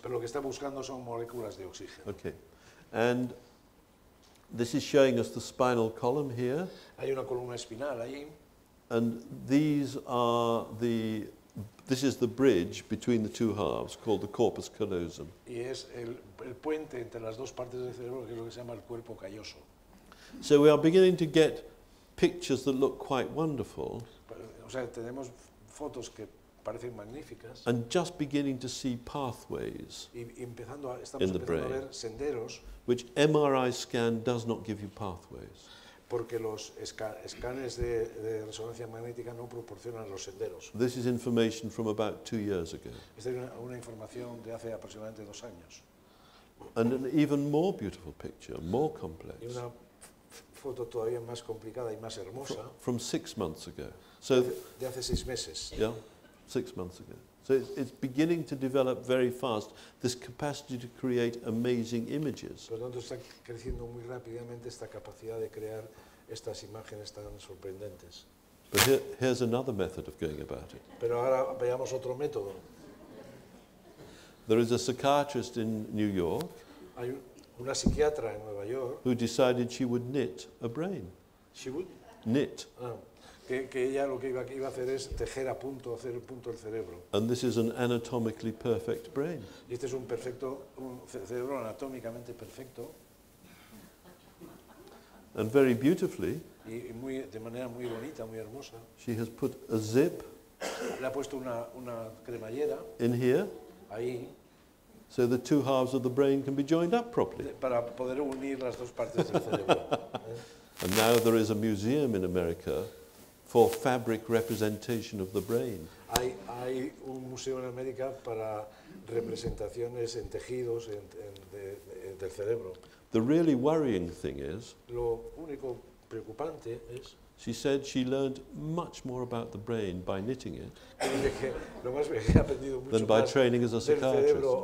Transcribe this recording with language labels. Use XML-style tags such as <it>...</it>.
<es>Pero lo que está buscando son moléculas de oxígeno.</es> <en>Okay. And this is showing us the spinal column here.</en> <es>Hay una columna espinal ahí.</es> <en>And these are the, this is the bridge between the two halves called the corpus callosum.</en> <es>Y es el puente entre las dos partes del cerebro, que es lo que se llama el cuerpo calloso.</es> <en>So we are beginning to get pictures that look quite wonderful.</en> <es>O sea, tenemos fotos que parecen magníficas.</es> <en>And just beginning to see pathways in the brain,</en> <es>a ver senderos,</es> <en>which MRI scan does not give you pathways.</en> <es>Porque los escáneres de resonancia magnética no proporcionan los senderos.</es> <en>This is information from about 2 years ago.</en> <es>Esta es una información de hace aproximadamente 2 años.</es> <en>And an even more beautiful picture, more complex.</en> <es>Y una foto todavía más complicada y más hermosa.</es> <en>From 6 months ago.</en> <es>So de hace 6 meses.</es> <en>Yeah, 6 months ago. So it's beginning to develop very fast this capacity to create amazing images.</en> <es>Por tanto, está creciendo muy rápidamente esta capacidad de crear estas imágenes tan sorprendentes.</es> <en>But here's another method of going about it.</en> <es>Pero ahora veamos otro método.</es> <en>There is a psychiatrist in New York.</en> <es>Una psiquiatra en Nueva York,</es> <en>who decided she would knit a brain. She would knit.</en> <es>Que ella lo que iba a hacer es tejer a punto, hacer el punto del cerebro.</es> <en>And this is an anatomically perfect brain.</en> <es>Y este es un cerebro anatómicamente perfecto.</es> <en>And very beautifully,</en> <es>y muy, de manera muy bonita, muy hermosa,</es> <en>she has put a zip</en> <es>le ha puesto una cremallera</es> <en>in here,</en> <es>ahí,</es> <en>so the two halves of the brain can be joined up properly.</en> <es>Para poder unir las dos partes del cerebro.</es> <en>And now there is a museum in America for fabric representation of the brain.</en> <es>Hay un museo en América para representaciones en tejidos del cerebro.</es> <en>The really worrying thing is,</en> <es>lo único preocupante es,</es> <en>she said she learned much more about the brain by knitting it than by training as a psychiatrist.</en>